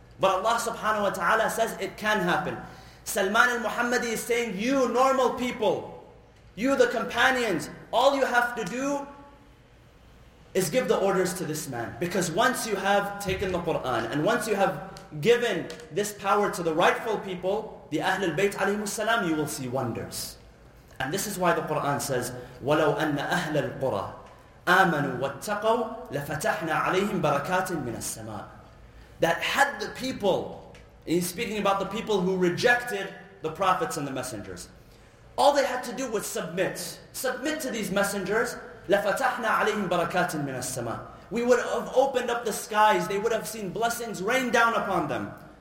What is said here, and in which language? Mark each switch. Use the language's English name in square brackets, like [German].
[English] But Allah subhanahu wa ta'ala says it can happen. Salman al-Muhammadi is saying, you normal people, you the companions, all you have to do is give the orders to this man. Because once you have taken the Qur'an, and once you have given this power to the rightful people, the Ahlul Bayt alayhi salam, you will see wonders. And this is why the Qur'an says, [Arabic] وَلَوْ أَنَّ أَهْلَ الْقُرَىٰ آمَنُوا وَاتَّقَوْا لَفَتَحْنَا عَلَيْهِمْ بَرَكَاتٍ مِنَ السَّمَاءِ. [English] That had the people, he's speaking about the people who rejected the prophets and the messengers, all they had to do was submit to these messengers, [Arabic] لَفَتَحْنَا عَلَيْهِمْ بَرَكَاتٍ مِنَ السَّمَاءِ. [English] We would have opened up the skies. They would have seen blessings rain down upon them.